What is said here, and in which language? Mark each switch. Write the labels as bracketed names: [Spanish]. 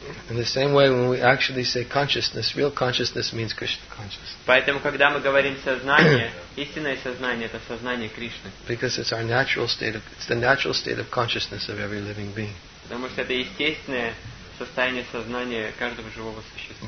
[English] In the same way, when we actually say consciousness, real consciousness means Krishna consciousness. [Russian] Поэтому, когда мы говорим сознание, истинное сознание это сознание Кришны. [English] Because it's our natural state of, it's the natural state of consciousness of every living being. [Russian] Потому что это естественное состояние сознания каждого живого существа.